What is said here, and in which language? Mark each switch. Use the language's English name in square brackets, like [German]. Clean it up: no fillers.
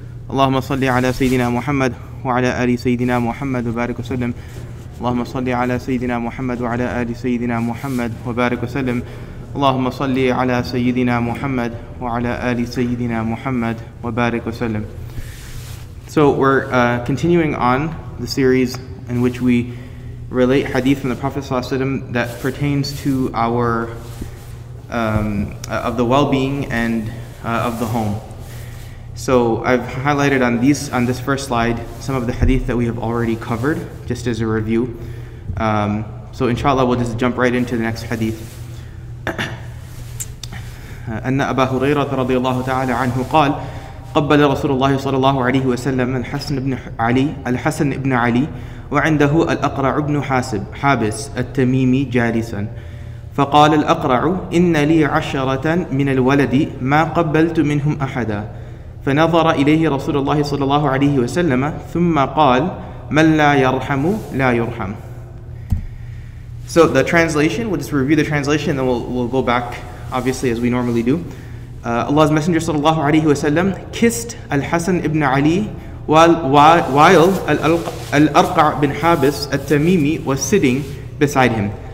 [Arabic] اللهم صل على سيدنا محمد وعلى آل سيدنا محمد وبارك وسلم. اللهم صل على سيدنا محمد وعلى آل سيدنا محمد وبارك وسلم. اللهم صل على سيدنا محمد وعلى آل سيدنا محمد وبارك وسلم. [English] So we're continuing on the series in which we relate hadith from the Prophet ﷺ that pertains to our of the well-being and of the home. So I've highlighted on this first slide some of the hadith that we have already covered, just as a review. So inshallah, we'll just jump right into the next hadith. [Arabic] أن أبا هريرة رضي الله تعالى عنه قال قبل رسول الله صلى الله عليه وسلم الحسن بن علي وعنده الأقرع بن حابس التميمي جالسا فقال الأقرع إن لي عشرة من الولد ما قبلت منهم أحدا فنظر إليه رسول الله صلى الله عليه وسلم ثم قال من لا يرحم لا يرحم. [English] So the translation, we'll just review the translation, then we'll go back obviously as we normally do. Allah's Messenger sallallahu alayhi wa sallam kissed Al-Hasan ibn Ali while Al-Arqa' bin Habis Al-Tamimi was sitting beside him.